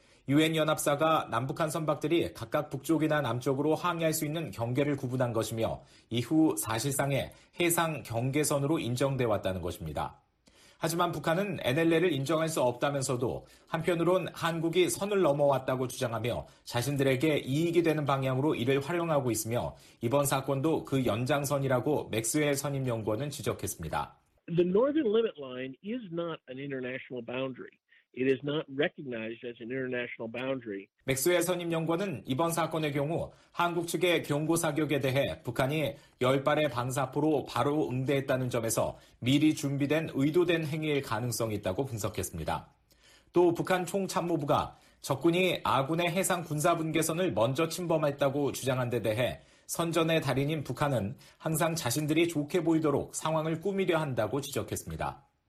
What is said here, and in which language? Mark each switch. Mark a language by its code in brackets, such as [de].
[ko] 유엔연합사가 남북한 선박들이 각각 북쪽이나 남쪽으로 항해할 수 있는 경계를 구분한 것이며 이후 사실상의 해상 경계선으로 인정돼 왔다는 것입니다. 하지만 북한은 NLL을 인정할 수 없다면서도 한편으론 한국이 선을 넘어왔다고 주장하며 자신들에게 이익이 되는 방향으로 이를 활용하고 있으며 이번 사건도 그 연장선이라고 맥스웰 선임연구원은 지적했습니다. [en] The northern limit line is not an international boundary. It is not recognized as an international boundary. [ko] 맥스웰 선임연구원은 이번 사건의 경우 한국 측의 경고 사격에 대해 북한이 10발의 방사포로 바로 응대했다는 점에서 미리 준비된 의도된 행위일 가능성이 있다고 분석했습니다. 또 북한 총참모부가 적군이 아군의 해상 군사 분계선을 먼저 침범했다고 주장한 데 대해 선전의 달인인 북한은 항상 자신들이 좋게 보이도록 상황을 꾸미려 한다고 지적했습니다.